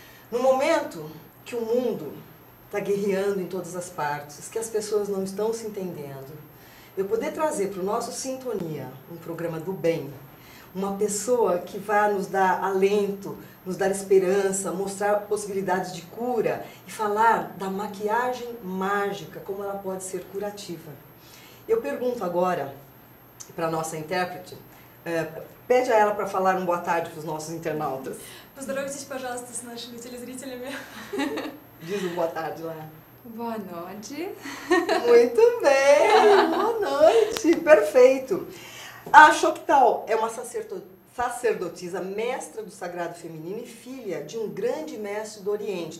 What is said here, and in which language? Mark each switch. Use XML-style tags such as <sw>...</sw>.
<pt>No momento que o mundo está guerreando em todas as partes, que as pessoas não estão se entendendo, eu poder trazer para o nosso Sintonia, um programa do bem, uma pessoa que vá nos dar alento, nos dar esperança, mostrar possibilidades de cura e falar da maquiagem mágica, como ela pode ser curativa. Eu pergunto agora para a nossa intérprete, pede a ela para falar um boa tarde para os nossos internautas.</pt> <ru>Поздоровайтесь, пожалуйста, с нашими телезрителями.</ru> <pt>Diz um boa tarde lá. Boa noite. Muito bem, boa noite, perfeito. A Choctaw é uma sacerdotisa, mestra do sagrado feminino e filha de um grande mestre do Oriente.</pt>